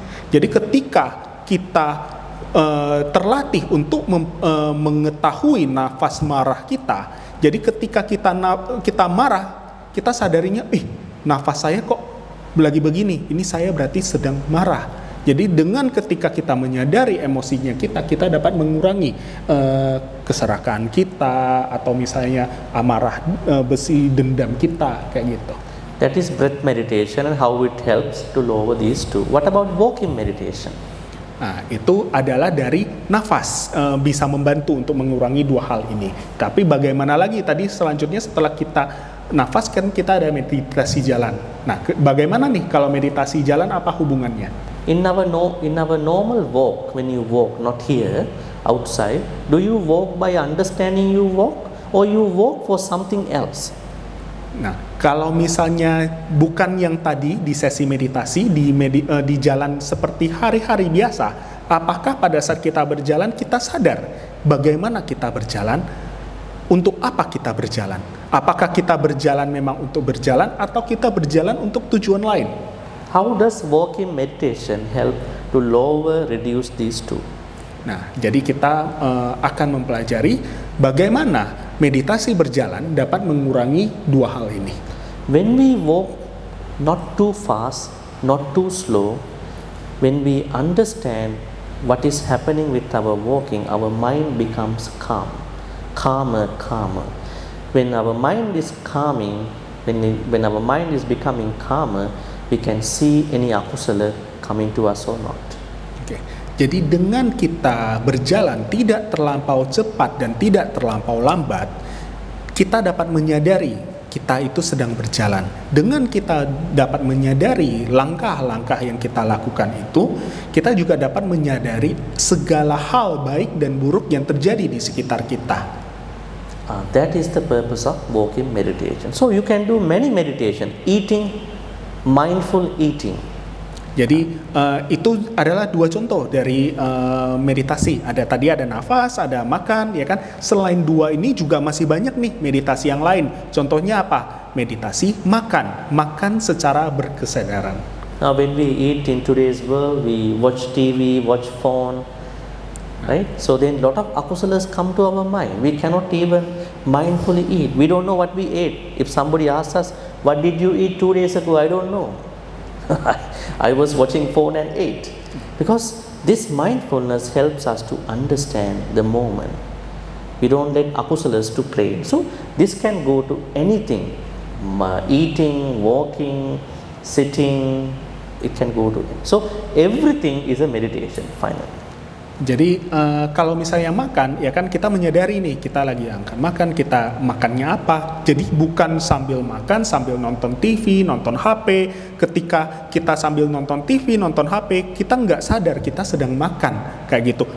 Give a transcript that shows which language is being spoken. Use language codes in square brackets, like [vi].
[id] Jadi ketika kita terlatih untuk mengetahui nafas marah kita, jadi ketika kita marah, kita sadarinya, nafas saya kok lagi begini, ini saya berarti sedang marah. Jadi dengan ketika kita menyadari emosinya kita dapat mengurangi keserakahan kita atau misalnya amarah besi dendam kita, kayak gitu. [en] That is breath meditation and how it helps to lower these two. What about walking meditation? [id] Nah, itu adalah dari nafas, bisa membantu untuk mengurangi dua hal ini. Tapi bagaimana lagi tadi selanjutnya setelah kita nafas, kan kita ada meditasi jalan. Nah, bagaimana nih kalau meditasi jalan, apa hubungannya? [en] In our normal walk, when you walk, not here, outside, do you walk by understanding you walk, or you walk for something else? [id] Nah, kalau misalnya bukan yang tadi di sesi meditasi, di jalan seperti hari-hari biasa, apakah pada saat kita berjalan, kita sadar bagaimana kita berjalan, untuk apa kita berjalan? Apakah kita berjalan memang untuk berjalan, atau kita berjalan untuk tujuan lain? [en] How does walking meditation help to lower, reduce these two? [id] Nah, jadi kita akan mempelajari bagaimana meditasi berjalan dapat mengurangi dua hal ini. [en] When we walk not too fast, not too slow, when we understand what is happening with our walking, our mind becomes calm, calmer, calmer. When our mind is calming, when our mind is becoming calmer, we can see any akusala coming to us or not. Okay. [id] Jadi dengan kita berjalan tidak terlampau cepat dan tidak terlampau lambat, kita dapat menyadari kita itu sedang berjalan. Dengan kita dapat menyadari langkah-langkah yang kita lakukan itu, kita juga dapat menyadari segala hal baik dan buruk yang terjadi di sekitar kita. [en] That is the purpose of walking meditation. So you can do many meditation, eating, mindful eating. [id] Jadi itu adalah dua contoh dari meditasi. Ada tadi ada nafas, ada makan, ya kan? Selain dua ini juga masih banyak nih meditasi yang lain. Contohnya apa? Meditasi makan. Makan secara berkesadaran. [en] Now when we eat in today's world, we watch TV, watch phone, right? So then lot of akusalas come to our mind. We cannot even mindfully eat. We don't know what we ate. If somebody asks us, what did you eat 2 days ago? I don't know. I was watching phone and ate. Because this mindfulness helps us to understand the moment. We don't let akusalas to play. So this can go to anything. Eating, walking, sitting, it can go to it. So everything is a meditation, finally. [id] Jadi kalau misalnya makan, ya kan kita menyadari nih, kita lagi akan makan, kita makannya apa. Jadi bukan sambil makan, sambil nonton TV, nonton HP. Ketika kita sambil nonton TV, nonton HP, kita nggak sadar kita sedang makan. Kayak gitu.